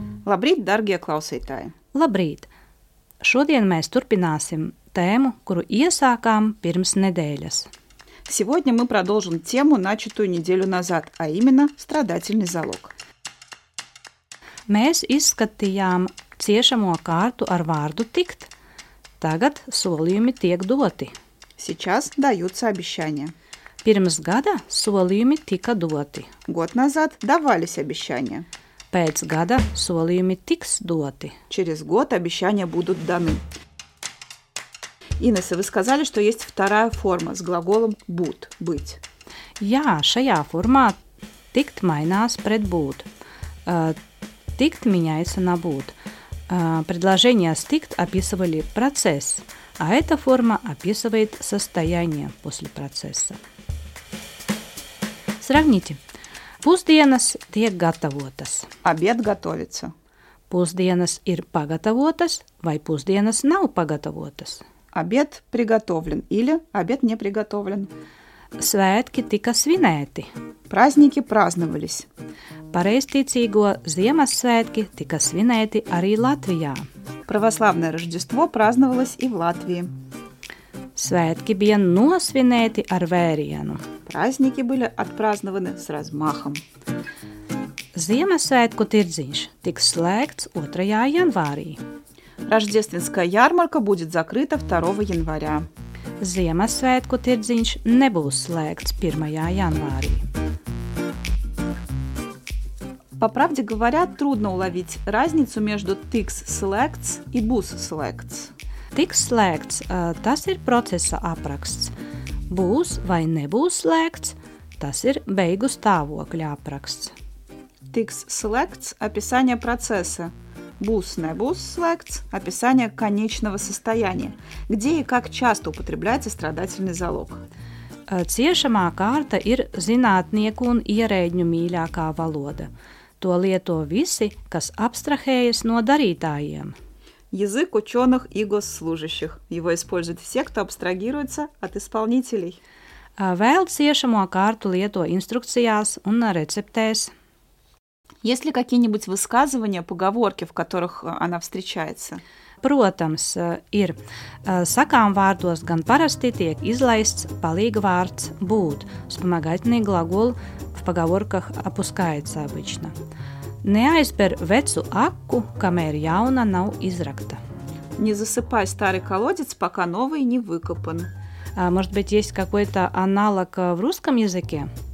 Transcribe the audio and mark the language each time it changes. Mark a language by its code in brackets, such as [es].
[lv] Labrīt, dargie klausītāji! Labrīt! Šodien mēs turpināsim tēmu, kuru iesākām pirms nedēļas. [ru] Сегодня мы продолжим тему, начатую неделю назад, а именно страдательный залог. [lv] Mēs izskatījām ciešamo kārtu ar vārdu tikt. Tagad solījumi tiek doti. [ru] Сейчас даются обещания. [lv] Pirms gada solījumi tika doti. [ru] Год назад давались обещания. [lv] Pēc gada solījumi tiks doti. [ru] Через год обещания будут даны. Инесса, вы сказали, что есть вторая форма с глаголом «būt» – «быть». [lv] Jā, šajā formā «tikt» mainās pret «būt». [ru] «Tikt» меняется на «būt». Предложения с «tikt» описывали процесс, а эта форма описывает состояние после процесса. Сравните. [lv] Pusdienas tiek gatavotas. [ru] Обед готовится. [lv] Pusdienas ir pagatavotas vai pusdienas nav pagatavotas? [ru] Обед приготовлен или обед не приготовлен. [lv] Svētki tika svinēti. [ru] Праздники праздновались. [lv] Pareizticīgo Ziemassvētki tika svinēti arī Latvijā. [ru] Православное Рождество праздновалось и в Латвии. [lv] Svētki bija nosvinēti ar vērienu. [ru] Праздники были отпразднованы с размахом. [lv] Ziemassvētku tirdziņš tiks slēgts 2. janvārī. [ru] Рождественская ярмарка будет закрыта 2 января. [lv] Ziemassvētku tirdziņš nebūs slēgts 1. janvārī. [ru] По правде говоря, трудно уловить разницу между [lv] tiks slēgts [ru] и [lv] būs slēgts. Tiks slēgts – tas ir procesa apraksts. Būs vai nebūs slēgts – tas ir beigu stāvokļa apraksts. Tiks slēgts [ru] – описание процесса. [lv] Būs, nebūs slēgts [ru] – описание конечного состояния. Где и как часто употребляется страдательный залог? [lv] Ciešamā kārta ir zinātnieku un ierēģņu mīļākā valoda. To lieto visi, kas abstrahējas no darītājiem. [ru] Язык ученых и госслужащих. Его используют все, кто абстрагируется от исполнителей. [lv] Vēl ciešamo kārtu lieto instrukcijās un receptēs. [ru] Есть ли какие-нибудь высказывания, поговорки, в которых она встречается? [lv] Protams, ir. Sakām vārdos gan parasti tiek izlaists palīgvārds būt. [ru] Вспомогательный глагол в поговорках опускается обычно. [lv] Neaizber vecu aku, kamēr jauna nav izrakta. [ru] Не засыпай старый колодец, пока новый не выкопан. Может быть, есть какой-то аналог в русском языке?